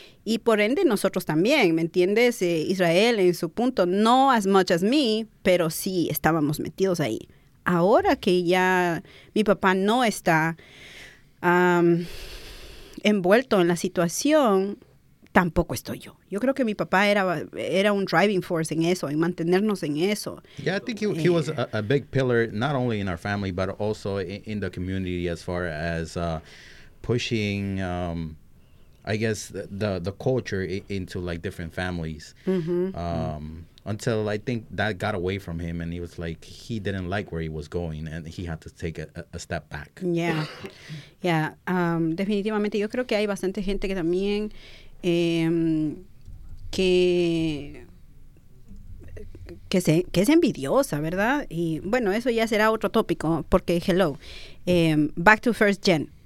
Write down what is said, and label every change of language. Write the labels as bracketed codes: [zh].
[es] Y por ende, nosotros también, ¿me entiendes? Israel, en su punto, [en] no as much as me, [es] pero sí estábamos metidos ahí. Ahora que ya mi papá no está envuelto en la situación, tampoco estoy yo. Yo creo que mi papá era un [en] driving force [es] en eso, en mantenernos en eso. [en] Yeah, I think he was a big pillar, not only in our family, but also in the community as far as pushing... I guess the culture into like different families, until I think that got away from him, and he was like, he didn't like where he was going, and he had to take a step back. Yeah, yeah. [es] Definitivamente, yo creo que hay bastante gente que también que es envidiosa, ¿verdad? Y bueno, eso ya será otro tópico, porque [en] hello, back to first gen.